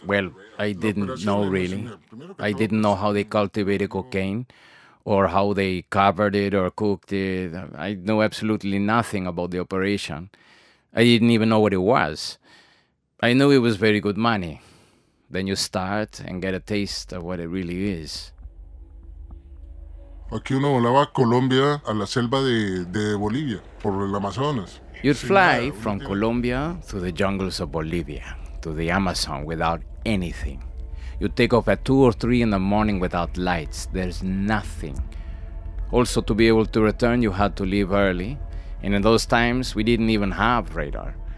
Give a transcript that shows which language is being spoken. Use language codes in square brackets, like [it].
[en] Well, I didn't know really. I didn't know how they cultivated cocaine or how they covered it or cooked it. I knew absolutely nothing about the operation. I didn't even know what it was. I knew it was very good money. Then you start and get a taste of what it really is. [es] Aquí uno volaba Colombia a la selva de Bolivia, por el Amazonas. [en] You'd fly from Colombia through the jungles of Bolivia to the Amazon without anything. You'd take off at 2 or 3 in the morning without lights. There's nothing. Also, to be able to return, you had to leave early. And in those times, we didn't even have radar.